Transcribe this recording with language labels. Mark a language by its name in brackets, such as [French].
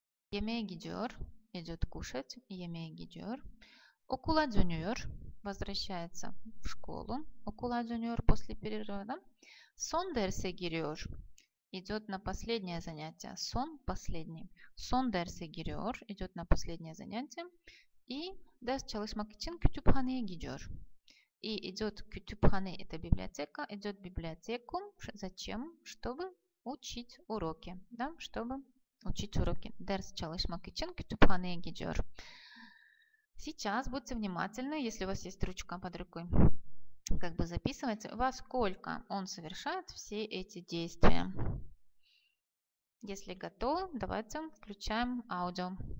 [Turkish] Yemeğe gidiyor. [Russian] Идет кушать. [Turkish] Yemeğe gidiyor. Okula dönüyor. [Russian] Возвращается в школу. [Turkish] Okula dönüyor [Russian] после перерыва. [Turkish] Да? Son derse giriyor. [Russian] Идет на последнее занятие. Son – последний. [Turkish] Son derse giriyor. [Russian] Идет на последнее занятие. [Turkish] И ders çalışmak için kütüphaneye gidiyor. [Russian] И идет kütüphane – это библиотека. Идет в библиотеку. Зачем? Чтобы учить уроки. Да? Чтобы учить уроки. [Turkish] Ders çalışmak için kütüphaneye gidiyor. [Russian] Сейчас будьте внимательны, если у вас есть ручка под рукой. Как бы записывайте, во сколько он совершает все эти действия. Если готовы, давайте включаем аудио.